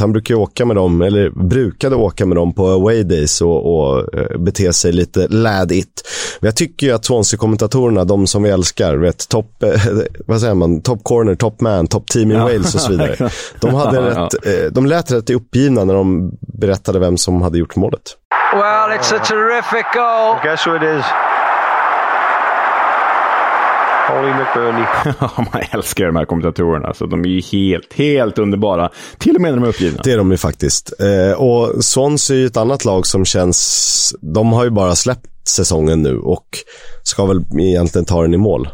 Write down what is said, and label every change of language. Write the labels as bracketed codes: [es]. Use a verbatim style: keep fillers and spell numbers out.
[sv] Han brukar åka med dem, eller brukade åka med dem på away days och, och bete sig lite lädigt. Men jag tycker ju att Swansea-kommentatorerna, de som vi älskar, vet, top, vad säger man, [en] top corner, top man, top team in [sv] ja. Wales och så vidare. De, hade rätt, de lät rätt uppgivna när de berättade vem som hade gjort målet. [en] Well, it's a terrific goal. I guess who it is. Ollie McBurney. [sv] Man älskar de här kommentatorerna. Så de är ju helt, helt underbara. Till och med när de är uppgivna. Det är de ju faktiskt. Eh, och Swansea är ju ett annat lag som känns... De har ju bara släppt säsongen nu och ska väl egentligen ta den i mål.